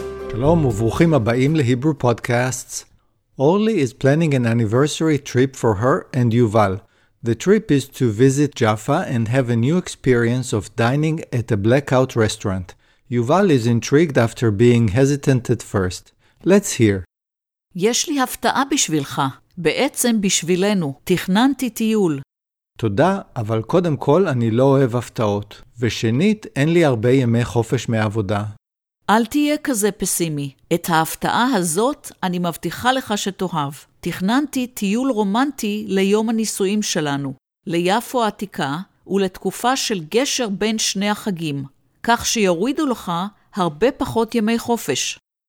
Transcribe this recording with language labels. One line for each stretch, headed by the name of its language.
Hebrew: שלום וברוכים הבאים להיברו פודקאסט.
English: אורלי is planning an anniversary trip for her and Yuval. The trip is to visit Jaffa and have a new experience of dining at a blackout restaurant. Yuval is intrigued after being hesitant at first. Let's hear.
Hebrew: יש לי הפתעה בשבילך, בעצם בשבילנו. תכננתי טיול. תודה, אבל קודם כל אני לא אוהב הפתעות. ושנית, אין לי הרבה ימי חופש מעבודה. אל תהיה כזה פסימי. את ההפתעה הזאת אני מבטיחה לך שתאהב. תכננתי טיול רומנטי ליום הנישואים שלנו, ליפו העתיקה ולתקופה של גשר בין שני החגים, כך שיורידו לך הרבה פחות ימי חופש.